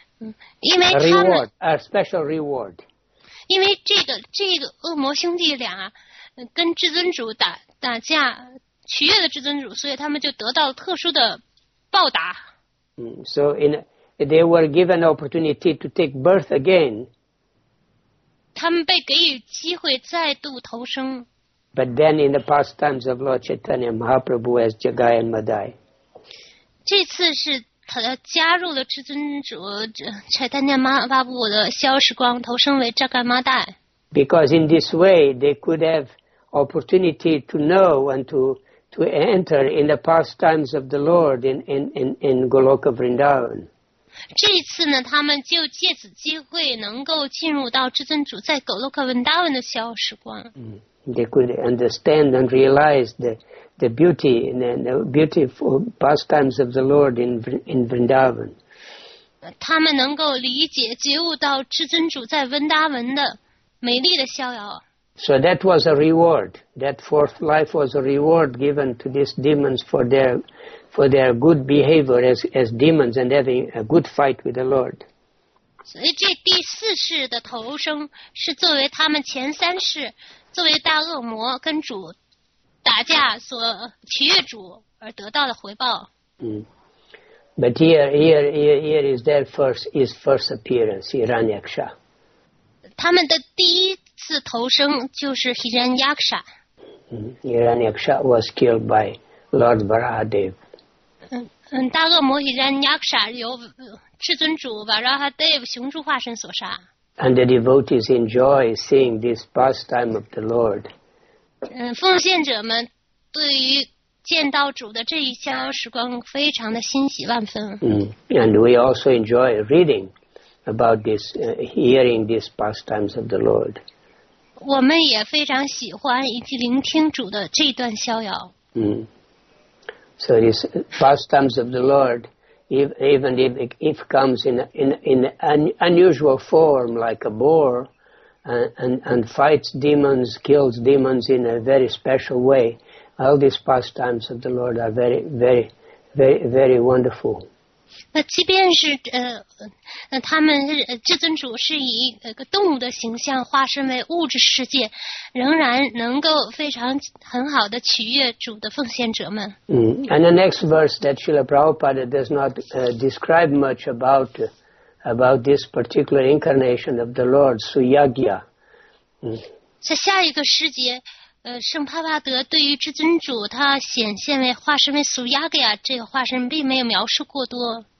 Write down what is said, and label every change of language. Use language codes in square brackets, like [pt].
[en] A special reward. [zh] 因为这个恶魔兄弟俩。跟至尊主打架，取悦了至尊主，所以他们就得到了特殊的报答。 [en] So they were given opportunity to take birth again. [zh] 他们被给予机会再度投生。 [en] But then in the pastimes of Lord Chaitanya Mahaprabhu as Jagai and Madai. [zh] 这次是他加入了至尊主 Chaitanya Mahaprabhu 的消时光，投生为 Jagai Madai. [en] Because in this way they could have. Opportunity to know and to enter in the pastimes of the Lord in Goloka Vrindavan. [zh] 这一次呢，他们就借此机会能够进入到至尊主在 Goloka Vrindavan 的逍遥时光。 [en] They could understand and realize the beauty and the beautiful pastimes of the Lord in Vrindavan. [zh] 他们能够理解觉悟到至尊主在温达文的美丽的逍遥。 [en] So that was a reward. That fourth life was a reward given to these demons for their good behavior as demons and having a good fight with the Lord. So this [zh] 第四世的投生是作为他们前三世作为大恶魔跟主打架所取悦主而得到的回报。 [en] But here is their first appearance, Hiranyaksha. [zh] 他们的第一次投生就是 Hiranyaksha. [en] Hiranyaksha was killed by Lord Varahadev. [zh] 大恶魔 Hiranyaksha 由至尊主 Varahadev 熊柱化身所杀。 [en] And the devotees enjoy seeing this pastime of the Lord. [zh] 奉献者们对于见到主的这一逍遥时光非常的欣喜万分。 [en] And we also enjoy reading about this, hearing these pastimes of the Lord. [zh] 我们也非常喜欢以及聆听主的这段逍遥。 [en] So these pastimes of the Lord, even if it comes in an unusual form like a boar, and fights demons, kills demons in a very special way,All these pastimes of the Lord are very, very, very, very wonderful. [zh] 那即便是他们至尊主是以动物的形象化身为物质世界，仍然能够非常很好的取悦主的奉献者们。 [en] And the next verse that Srila Prabhupada does not describe much about this particular incarnation of the Lord, Suyagya. [zh] 在下一个诗节。圣帕帕德对于至尊主他显现为化身为苏亚格亚这个化身并没有描述过多。